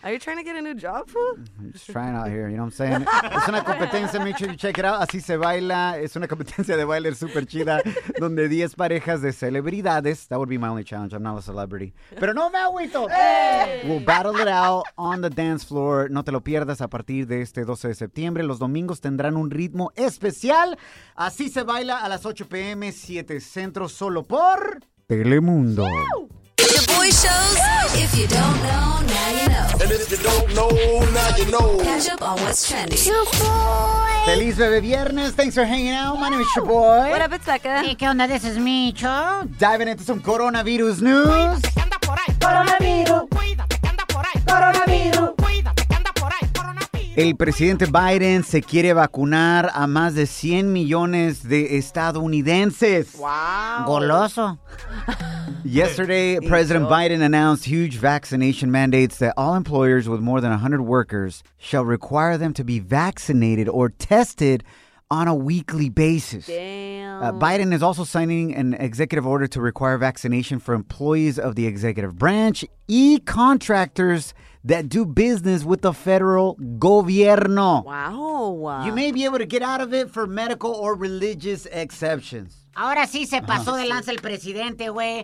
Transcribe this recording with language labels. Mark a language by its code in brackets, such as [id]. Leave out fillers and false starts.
[en] Are you trying to get a new job, fool? I'm just trying out here, you know what I'm saying? [es] Es una competencia, [en] make sure you check it out. [es] Así Se Baila es una competencia de baile super chida, donde 10 parejas de celebridades, [en] that would be my my only challenge. I'm not a celebrity. [es] Pero no me agüito. Hey! [en] We'll battle it out on the dance floor. [es] No te lo pierdas a partir de este 12 de septiembre. Los domingos tendrán un ritmo especial. Así se baila a las 8 p.m., 7 centro, solo por Telemundo. [en] The boy shows. If you don't know, now you know. And if you don't know, now you know. Catch up on what's trending. [es] Feliz Bebe Viernes. [en] Thanks for hanging out. My name is your boy. What up, it's Becca. Hey, [es] ¿qué onda? [en] This is Micho. Diving into some coronavirus news. [es] Cuídate, anda por ahí. Coronavirus. Cuídate, anda por ahí. Coronavirus. El presidente Biden se quiere vacunar a más de 100 millones de estadounidenses. ¡Wow! ¡Goloso! [en] Yesterday, President Biden announced huge vaccination mandates that all employers with more than 100 workers shall require them to be vaccinated or tested on a weekly basis. Damn. Biden is also signing an executive order to require vaccination for employees of the executive branch, e-contractors that do business with the federal gobierno. Wow. You may be able to get out of it for medical or religious exceptions. [es] Ahora sí se pasó de lanza el presidente, güey.